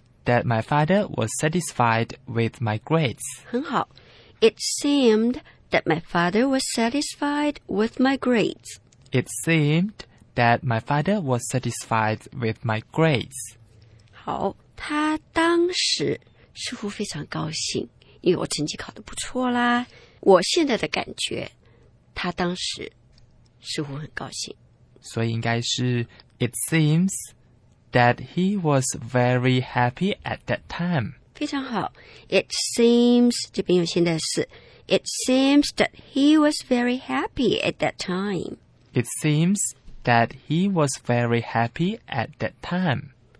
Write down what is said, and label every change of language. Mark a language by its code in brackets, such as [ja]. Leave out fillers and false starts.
[en] That my father was satisfied with my grades. [zh] 很好。 [en] It seemed that my father was satisfied with my grades. It seemed that my father was satisfied with my grades. [zh] 好，他当时似乎非常高兴，因为我成绩考得不错啦。我现在的感觉，他当时似乎很高兴。所以应该是 [en] It seems... That he was very happy at that time. [zh] 非常好。 [en] It seems, [zh] 这边有现在式。 [en] It seems that he was very happy at that time. It seems that he was very happy at that time.